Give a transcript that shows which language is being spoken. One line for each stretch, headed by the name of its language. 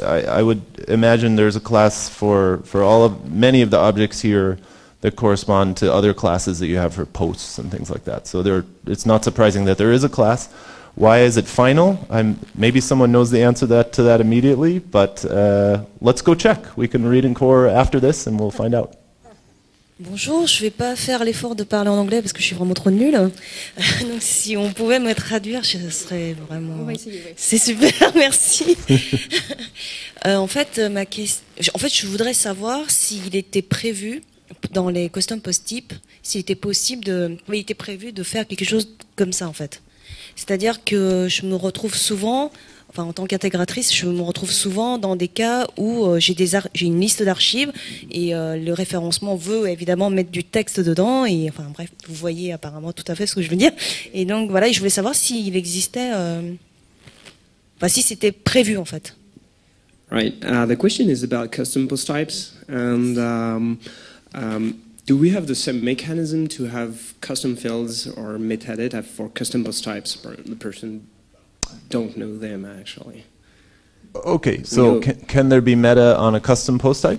English: I would imagine there's a class for many of the objects here that correspond to other classes that you have for posts and things like that. So it's not surprising that there is a class. Why is it final? Maybe someone knows the answer to that immediately, but let's go check. We can read in core after this and we'll find out.
French: Bonjour, je ne vais pas faire l'effort de parler en anglais parce que je suis vraiment trop nulle. Donc si on pouvait me traduire, ce serait vraiment... On va essayer, ouais. C'est super, merci. En fait, je voudrais savoir s'il était prévu dans les custom post-types, s'il était possible de... Il était prévu de faire quelque chose comme ça, en fait. C'est-à-dire que je me retrouve souvent, enfin en tant qu'intégratrice, je me retrouve souvent dans des cas où j'ai une liste d'archives et le référencement veut évidemment mettre du texte dedans. Et enfin bref, vous voyez apparemment tout à fait ce que je veux dire. Et donc voilà, je voulais savoir s'il existait, si c'était prévu en fait.
English: Right. The question is about custom post types and. Do we have the same mechanism to have custom fields or metadata for custom post types? The person don't know them actually. Okay, so no. can there be meta on a custom post type?